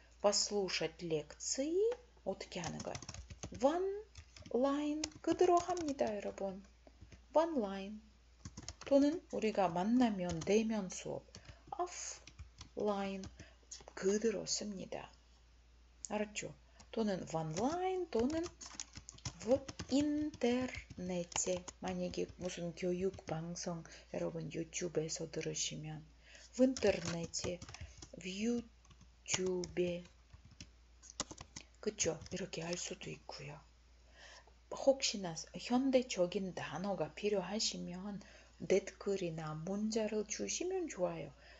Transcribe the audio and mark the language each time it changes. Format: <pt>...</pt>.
<ru>послушать лекции</ru> <ko>어떻게 하는 거야? онлайн 그대로 합니다, 여러분. онлайн 또는 우리가 만나면 대면 수업 offline 그대로 씁니다. 알았죠?</ko> <ru>또는 онлайн 또는 в интернете.</ru> <ko>만약에 무슨 교육 방송 여러분 유튜브에서 들으시면</ko> <ru>в интернете, в ютюбе.</ru> <ko>그쵸? 이렇게 할 수도 있고요. 혹시나 현대적인 단어가 필요하시면 댓글이나 문자를 주시면 좋아요.</ko>